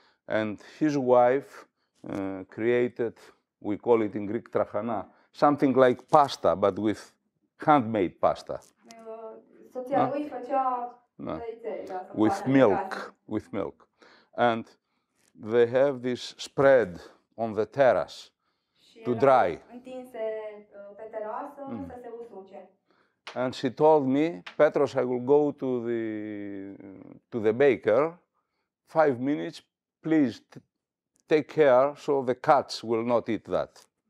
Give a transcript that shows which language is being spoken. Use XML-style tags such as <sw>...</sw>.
<en>And his wife created, we call it in Greek trahana, something like pasta, but with handmade pasta.</en> <ro>Soția lui făcea tăițe,</ro> <en>with milk. And they have this spread on the terrace to dry.</en> <ro>Întinse pe terasă să se usuce.</ro> <en>And she told me, Petros, I will go to the baker 5 minutes, please take care so the cats will not eat that.</en>